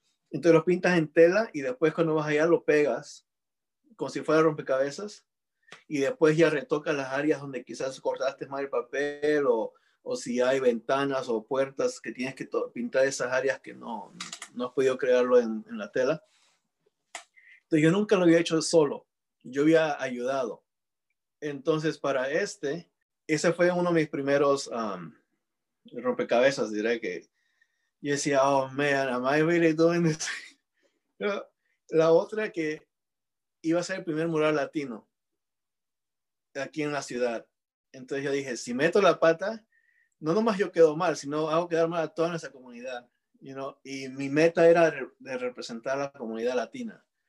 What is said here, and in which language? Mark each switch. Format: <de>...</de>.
<es>Entonces los pintas en tela y después cuando vas allá lo pegas como si fuera rompecabezas y después ya retocas las áreas donde quizás cortaste mal el papel o si hay ventanas o puertas que tienes que pintar esas áreas que no has podido crearlo en la tela. Entonces yo nunca lo había hecho solo. Yo había ayudado. Entonces para ese fue uno de mis primeros rompecabezas, diré que. Y decía,</es> <en>oh man, am I really doing this?</en> <es>La otra que iba a ser el primer mural latino aquí en la ciudad. Entonces yo dije, si meto la pata, no nomás yo quedo mal, sino hago quedar mal a toda nuestra comunidad.</es> <en>You know?</en> <es>Y mi meta era de representar a la comunidad latina.</es>